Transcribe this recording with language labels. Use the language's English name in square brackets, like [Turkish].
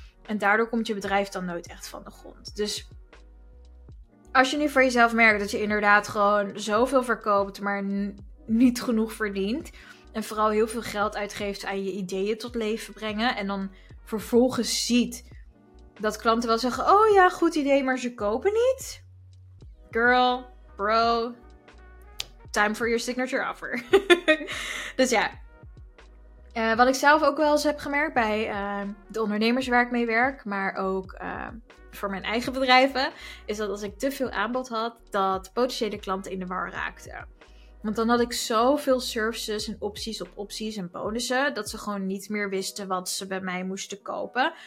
[Dutch] En daardoor komt je bedrijf dan nooit echt van de grond. Dus als je nu voor jezelf merkt dat je inderdaad gewoon zoveel verkoopt, maar niet genoeg verdient. En vooral heel veel geld uitgeeft aan je ideeën tot leven brengen. En dan vervolgens ziet dat klanten wel zeggen, oh ja, goed idee, maar ze kopen niet. [English] Girl, bro, time for your signature offer. [Dutch] Dus ja. Wat ik zelf ook wel eens heb gemerkt bij de ondernemers waar ik mee werk, maar ook voor mijn eigen bedrijven, is dat als ik te veel aanbod had, dat potentiële klanten in de war raakten. Want dan had ik zoveel services en opties op opties en bonussen, dat ze gewoon niet meer wisten wat ze bij mij moesten kopen.